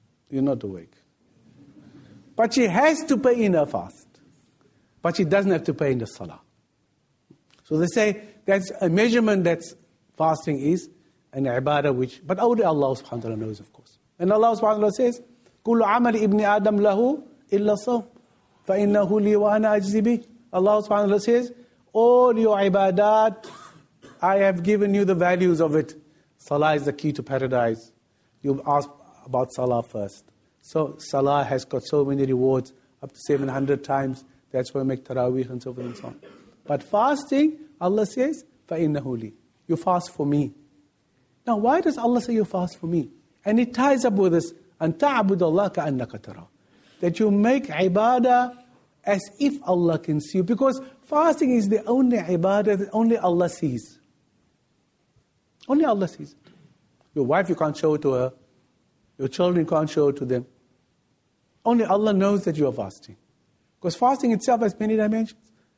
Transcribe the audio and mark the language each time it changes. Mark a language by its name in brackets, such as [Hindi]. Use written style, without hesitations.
[English] You're not awake. But she has to pay in her fast. But she doesn't have to pay in the salah. So they say that's a measurement that fasting is, an ibadah which, but only Allah subhanahu wa ta'ala knows, of course. And Allah subhanahu wa ta'ala says, [Arabic] كل عمل ابن آدم له إلا صوم فإنه لي وأنا أجزي به. [English] Allah subhanahu wa ta'ala says, all your ibadat, I have given you the values of it. Salah is the key to paradise. You ask about salah first. So salah has got so many rewards, up to 700 times. That's why we make taraweeh and so forth and so on. But fasting, Allah says, [Arabic] فإنه لي. [English] You fast for me. Now why does Allah say you fast for me? And it ties up with this, [Arabic] أن تعبد الله كأنك ترى. [English] That you make ibadah as if Allah can see you. Because fasting is the only ibadah that only Allah sees. Only Allah sees it. Your wife, you can't show it to her. Your children, you can't show it to them. Only Allah knows that you are fasting. Because fasting itself has many dimensions.